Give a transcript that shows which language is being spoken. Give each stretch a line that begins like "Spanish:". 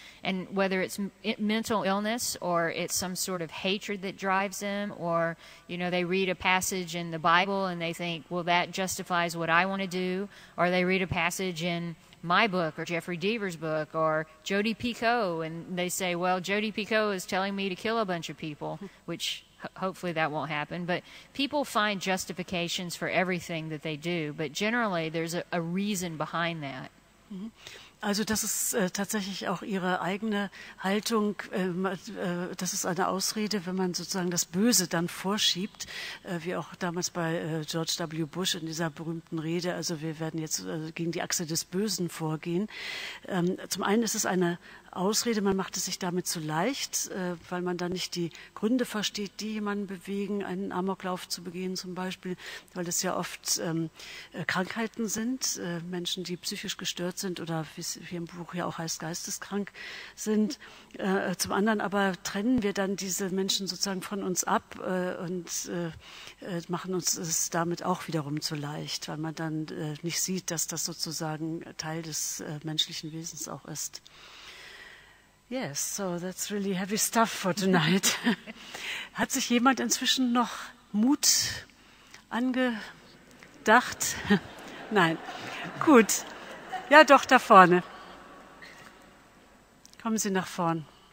English: And whether it's mental illness or it's some sort of hatred that drives them, or, you know, they read a passage in the Bible and they think, well, that justifies what I want to do, or they read a passage in my book or Jeffrey Deaver's book or Jodi Picoult, and they say, well, Jodi Picoult is telling me to kill a bunch of people, which hopefully that won't happen, but people find justifications for everything that they do, but generally there's a reason behind that.
German: Also das ist tatsächlich auch ihre eigene Haltung, das ist eine Ausrede, wenn man sozusagen das Böse dann vorschiebt, wie auch damals bei George W. Bush in dieser berühmten Rede, also wir werden jetzt gegen die Achse des Bösen vorgehen. Zum einen ist es eine Ausrede, man macht es sich damit zu leicht, weil man dann nicht die Gründe versteht, die jemanden bewegen, einen Amoklauf zu begehen zum Beispiel, weil es ja oft Krankheiten sind, Menschen, die psychisch gestört sind oder wie es hier im Buch ja auch heißt, geisteskrank sind. Zum anderen aber trennen wir dann diese Menschen sozusagen von uns ab und machen uns es damit auch wiederum zu leicht, weil man dann nicht sieht, dass das sozusagen Teil des menschlichen Wesens auch ist.
English: Yes, so that's really heavy stuff for tonight.
German: Hat sich jemand inzwischen noch Mut angedacht? Nein. Gut. Ja, doch, da vorne. Kommen Sie nach vorn.